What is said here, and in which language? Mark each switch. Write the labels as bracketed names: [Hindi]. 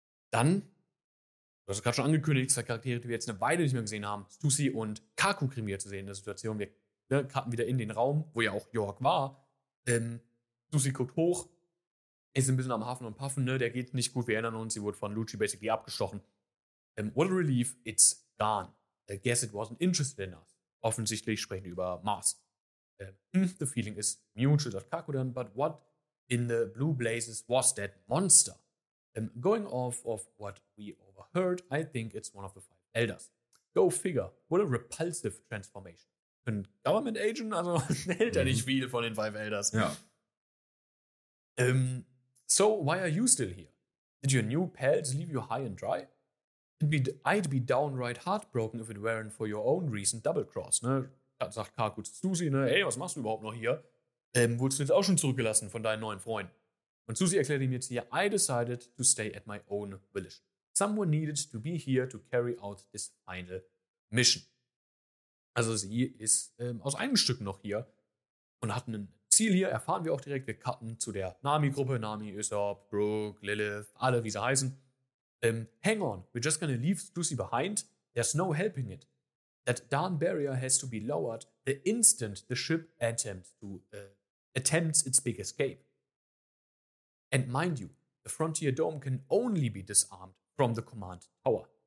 [German] Dann, du hast es gerade schon angekündigt, zwei Charaktere, die wir jetzt eine Weile nicht mehr gesehen haben, Stussy und Kaku kriegen wir zu sehen in der Situation. Wir karten wieder in den Raum, wo ja auch York war. Stussy guckt hoch, ist ein bisschen am Hafen und Puffen, ne? Der geht nicht gut, wir erinnern uns, sie wurde von Lucci basically abgestochen. [English] What a relief, it's gone. I guess it wasn't interested in us. [German] Offensichtlich sprechen wir über Mars. [English] The feeling is mutual, [German] sagt Kaku dann, [English] but what in the blue blazes was that monster? Going off of what we overheard, I think it's one of the five elders. Go figure, what a repulsive transformation. [German] Ein Government Agent, also hält er nicht viel von den five elders. Ja. [English] So why are you still here? Did your new pals leave you high and dry? I'd be downright heartbroken if it weren't for your own recent double cross, ne? [German] Sagt Kaku zu Stussy, ne? Hey, was machst du überhaupt noch hier? Wurdest du jetzt auch schon zurückgelassen von deinen neuen Freunden? Und Stussy erklärt ihm jetzt hier, [English] I decided to stay at my own village. Someone needed to be here to carry out this final mission. [German] Also sie ist aus einem Stück noch hier und hat ein Ziel hier, erfahren wir auch direkt. Wir cutten zu der Nami-Gruppe, Nami, Usopp, Brooke, Lilith, alle wie sie heißen. [English] Hang on, we're just gonna leave Stussy behind. There's no helping it. That darn barrier has to be lowered the instant the ship attempts its big escape. And mind you, the Frontier Dome can only be disarmed from the command tower.